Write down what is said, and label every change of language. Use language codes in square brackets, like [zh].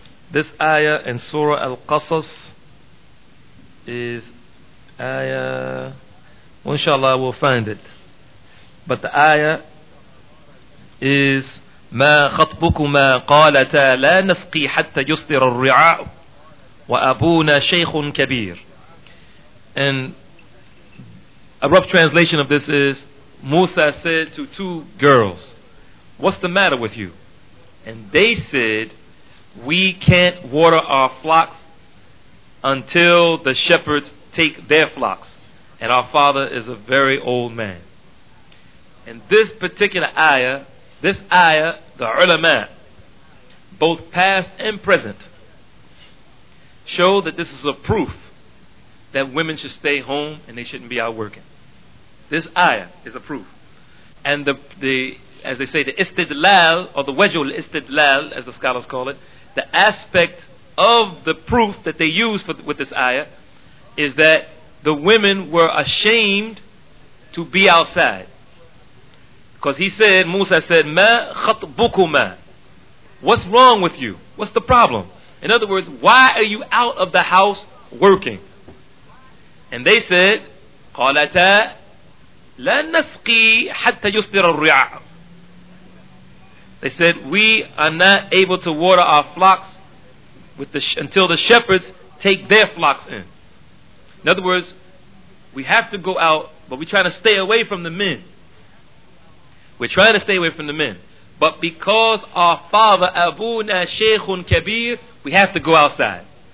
[en] This ayah in Surah Al-Qasas is ayah, well, inshallah, we'll find it. But the ayah is, [ar] مَا خَطْبُكُمَا قَالَتَا لَا نَسْقِي حَتَّى يُسْطِرَ الرِّعَاءُ وَأَبُونَا شَيْخٌ كَبِيرٌ. [en] And a rough translation of this is, Musa said to two girls, what's the matter with you? And they said, we can't water our flocks until the shepherds take their flocks, and our father is a very old man. And this particular ayah, the ulama, both past and present, show that this is a proof that women should stay home and they shouldn't be out working. This ayah is a proof. And the as they say, the istidlal, or the wajul istidlal, as the scholars call it, the aspect of the proof that they use with this ayah is that the women were ashamed to be outside. Because he said, Musa said, [ar] مَا خَطْبُكُمَا, [en] what's wrong with you? What's the problem? In other words, why are you out of the house working? And they said, [ar] قَالَتَا لَن نَسْقِي حَتَّى يُسْدِرَ الرِّعَاءُ. [en] They said, we are not able to water our flocks with until the shepherds take their flocks in. In other words, we have to go out, but we're trying to stay away from the men. We're trying to stay away from the men. But because our father, [ar] Abuna Shaykhun Kabir, [en] we have to go outside.